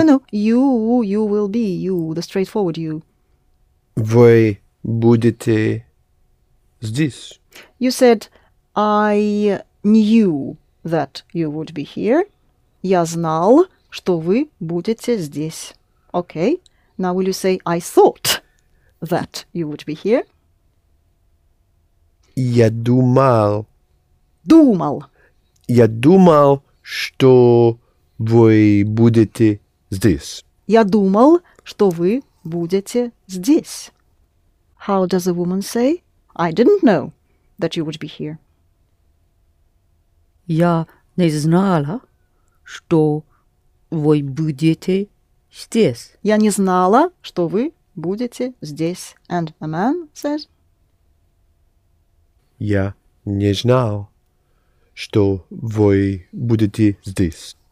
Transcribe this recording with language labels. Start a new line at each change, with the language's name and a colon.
English: No, no, you will be, you, the straightforward you.
Russian: Вы будете здесь.
English: You said, I knew that you would be here.
Russian: Я знал, что вы будете здесь.
English: Okay, now will you say, I thought that you would be here?
Russian: Я думал. Думал. Я думал, что вы будете здесь. Я думал, что вы будете здесь.
English: How does a woman say, I didn't know that you would be here?
Russian: Я не знала, что вы будете здесь. Я не знала, что вы будете здесь.
English: And a man says,
Russian: Я не знал, что вы будете здесь.